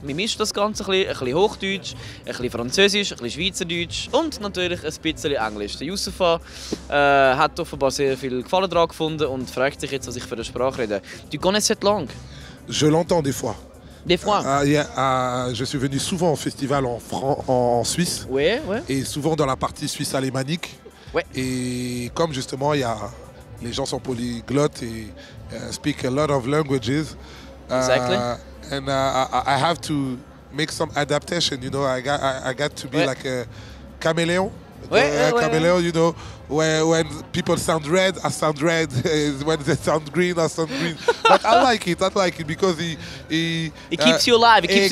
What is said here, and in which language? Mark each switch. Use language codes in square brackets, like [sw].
[de] Wir mischen das Ganze ein bisschen Hochdeutsch, ein bisschen Französisch, ein bisschen Schweizerdeutsch und natürlich ein bisschen Englisch. Der Youssoupha hat offenbar sehr viel Gefallen daran gefunden und fragt sich jetzt, was ich für eine Sprache rede. [fr] Tu connais cette langue? Je l'entends des fois. Des fois. Je suis venu souvent au festival en Suisse. Oui, oui. Et souvent dans la partie suisse alémanique. Oui. Et comme justement, les gens sont polyglottes et [en] speak a lot of languages. Exactly. And I have to make some adaptation. You know, I got to be like a chameleon. Chameleon, you know, when people sound red, I sound red. When they sound green, I sound green. But I like it because he keeps you alive. It keeps